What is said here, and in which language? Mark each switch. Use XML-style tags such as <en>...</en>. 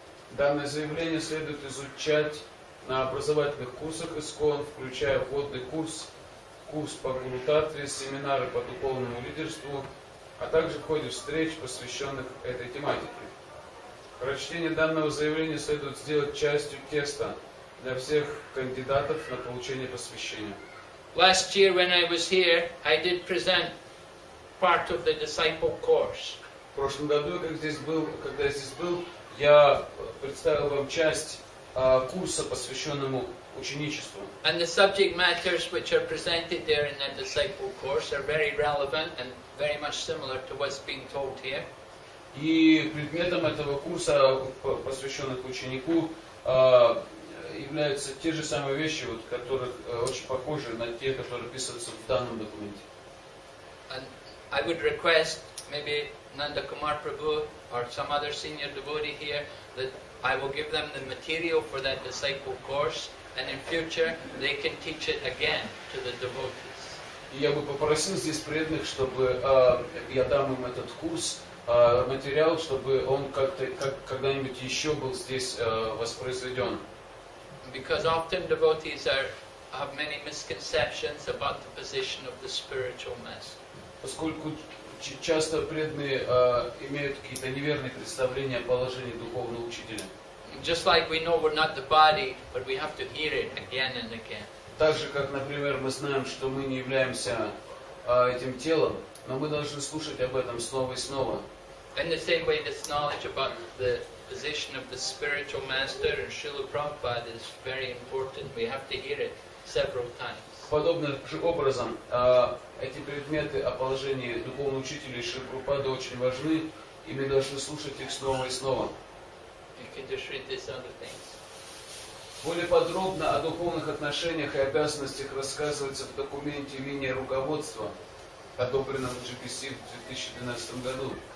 <ru>Данное заявление следует изучать на образовательных курсах ИСКОН, включая вводный курс, курс по гуру-татве, семинары по духовному лидерству, а также в ходе встреч, посвященных этой тематике. Прочтение данного заявления следует сделать частью теста для всех кандидатов на получение посвящения.</ru> <en>Last year, when I was here, I did present part of the disciple course.</en> <ru>В прошлом году, когда я здесь был, я представил вам часть курса, посвященному ученичеству.</ru> <en>And the subject matters which are presented there in the disciple course are very relevant and very much similar to what's being taught here.</en> <ru>И предметом этого курса, посвященных ученику, являются те же самые вещи, вот, которые очень похожи на те, которые описываются в данном документе.</ru> <en>And I would request maybe Nanda Kumar Prabhu or some other senior devotee here that I will give them the material for that disciple course and in future they can teach it again to the devotees.</en> <ru>Я бы попросил здесь преданных, чтобы я дам им этот курс, материал, чтобы он когда-нибудь еще был здесь воспроизведен.</ru> <en>Because often devotees have many misconceptions about the position of the spiritual master.</en> <ru>Поскольку часто преданные имеют какие-то неверные представления о положении духовного учителя.</ru> <en>Just like we know we're not the body, but we have to hear it again and again.</en> <ru>Так же, как, например, мы знаем, что мы не являемся этим телом, но мы должны слушать об этом снова и снова.</ru> <en>In the same way, this knowledge about the position of the spiritual master and Srila Prabhupada is very important. We have to hear it several times.</en> <ru>Подобным же образом, эти предметы о положении духовного учителя и Шри Прабхупады очень важны, и мы должны слушать их снова и снова.</ru> <en>You can just read these other things.</en> <ru>Более подробно о духовных отношениях и обязанностях рассказывается в документе линии руководства, одобренном GPC в 2012 году.</ru>